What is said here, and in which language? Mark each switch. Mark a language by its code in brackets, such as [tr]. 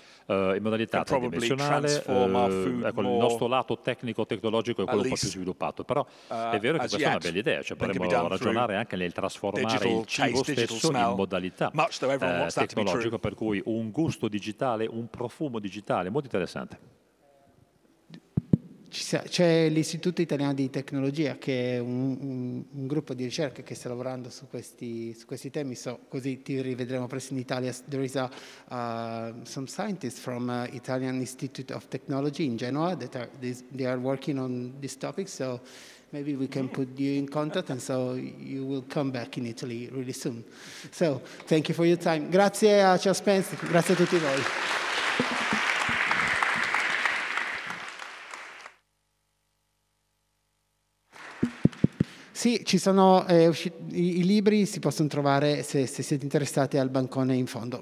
[it] in modalità tridimensionale, ecco, il nostro lato tecnico tecnologico è quello un po' più sviluppato, però è vero che questa è una bella idea, cioè potremmo ragionare anche nel trasformare il cibo stesso in modalità tecnologica, per cui un gusto digitale, un profumo digitale, molto interessante. C'è l'Istituto Italiano di Tecnologia, che è un gruppo di ricerca che sta lavorando su questi temi, so così ti rivedremo presto in Italia. [en] There is some scientists from Italian Institute of Technology in Genoa that they are working on this topic, so maybe we can put you in contact and so you will come back in Italy really soon. So thank you for your time. [it] Grazie a Charles Spence, grazie a tutti voi. Sì, ci sono i libri, si possono trovare se siete interessati al bancone in fondo.